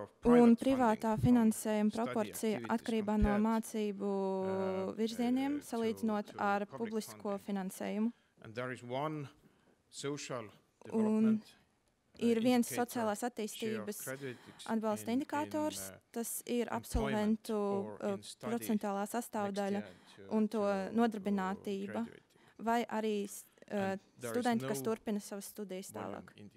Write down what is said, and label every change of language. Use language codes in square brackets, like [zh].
[lv] Un privātā finansējuma proporcija atkarībā no mācību virzieniem, salīdzinot ar publisko finansējumu. [en] And there is one social development. [lv] Un ir viens sociālās attīstības atbalsta indikators, tas ir absolventu procentuālā sastāvdaļa un to nodarbinātība vai arī studenti, kas turpina savas studijas tālāk.